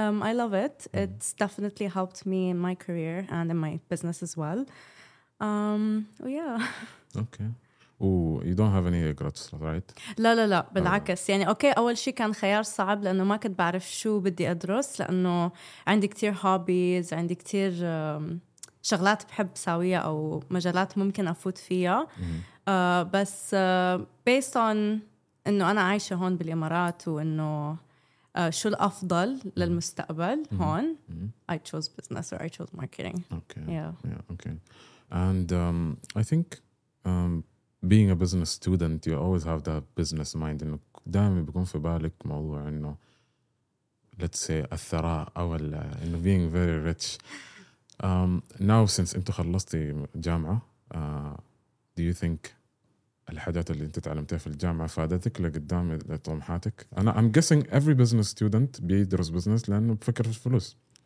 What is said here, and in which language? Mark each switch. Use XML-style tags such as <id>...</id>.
<en>I love it. It's definitely helped me in my career and in my business as well. Okay. Oh, you don't have any regrets, right?</en> <ar>لا بالعكس. يعني أوكي، أول شيء كان خيار صعب لأنه ما كنت بعرف شو بدي أدرس، لأنه عندي كتير هوبيز، عندي كتير شغلات بحب ساويها أو مجالات ممكن أفوت فيها. بس</ar> <en>based on</en> <ar>إنه أنا عايشة هون بالإمارات وإنه شو الأفضل للمستقبل هون،</ar> <en>I chose business or I chose marketing. Okay. And I think being a business student, you always have that business mind.</en> <ar>إنه دائما بيكون في بالك موضوع إنه</ar> <en>let's say</en> <ar>الثراء أو ال إنه</ar> <en>being very rich. Now since</en> <ar>أنت خلصتي جامعة،</ar> <en>do you think</en> <ar>الحاجات اللي أنت تعلمتها في الجامعة فادتك لقدام لطموحاتك؟</ar> <en>I'm guessing every business student</en> <ar>بيدرس business لأنه بفكر في الفلوس.</ar>